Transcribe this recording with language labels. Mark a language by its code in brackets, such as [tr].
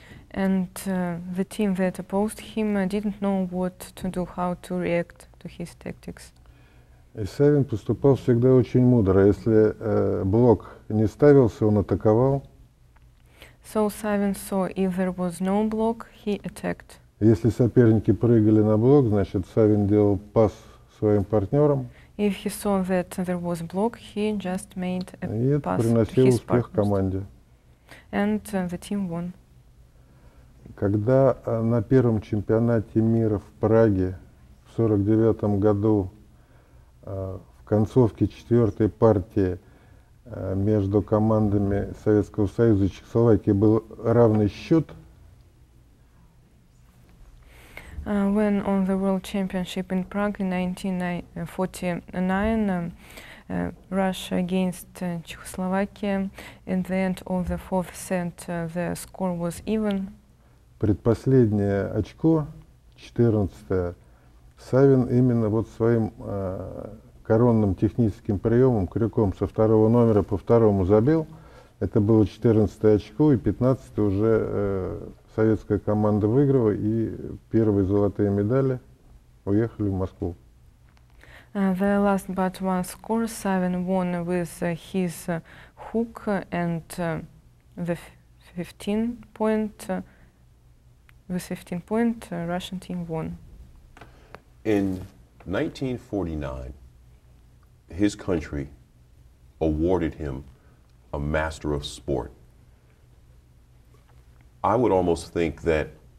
[en] And the team that opposed him didn't know what to do, how to react to his tactics. [ru] И Савин поступал всегда очень мудро. Если блок не ставился, он атаковал. [en] So Savin saw if there was no block, he attacked. [ru] Если соперники прыгали на блок, значит Савин делал пас своим партнерам. [en] If he saw that there was block, he just made a pass. [ru] И это приносило успех команде. [en] And the team won. [ru] Когда на первом чемпионате мира в Праге в 49 году в концовке четвертой партии между командами Советского Союза и Чехословакии был равный счет. [en] When on the World Championship in Prague in 1949, Russia against Czechoslovakia, in the end of the fourth set, the score was even. [ru] Предпоследнее очко, 14-е, Савин именно вот своим коронным техническим приемом, крюком со второго номера по второму забил. Это было 14-е очко, и 15-е уже советская команда выиграла, и первые золотые медали уехали в Москву. [en] The last but one score Savin won with his hook and the 15-point, with 15-point Russian team won. In 1949, his country awarded him a Master of Sport. I would almost think that